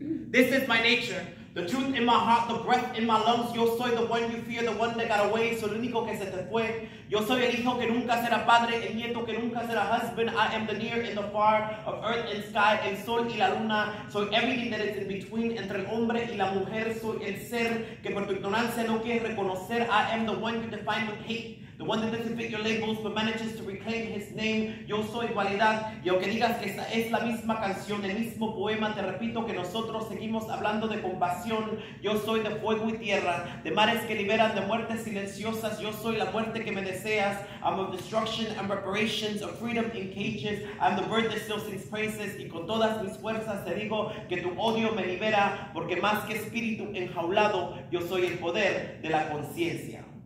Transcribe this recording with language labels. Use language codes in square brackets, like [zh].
[en] This is my nature. The truth in my heart, the breath in my lungs. Yo soy the one you fear, the one that got away. [es] Soy el único que se te fue. Yo soy el hijo que nunca será padre, el nieto que nunca será husband. [en] I am the near and the far of earth and sky, el sol y la luna. [es] Soy everything that is in between, entre el hombre y la mujer. Soy el ser que por tu ignorancia no quieres reconocer. [en] I am the one you define with hate. The one that doesn't fit your labels but manages to reclaim his name. [es] Yo soy igualdad. Y aunque digas que esta es la misma canción, el mismo poema, te repito que nosotros seguimos hablando de compasión. Yo soy de fuego y tierra, de mares que liberan, de muertes silenciosas. Yo soy la muerte que me deseas. [en] I'm of destruction and reparations, of freedom in cages. I'm the bird that still sings praises. [es] Y con todas mis fuerzas te digo que tu odio me libera, porque más que espíritu enjaulado, yo soy el poder de la conciencia.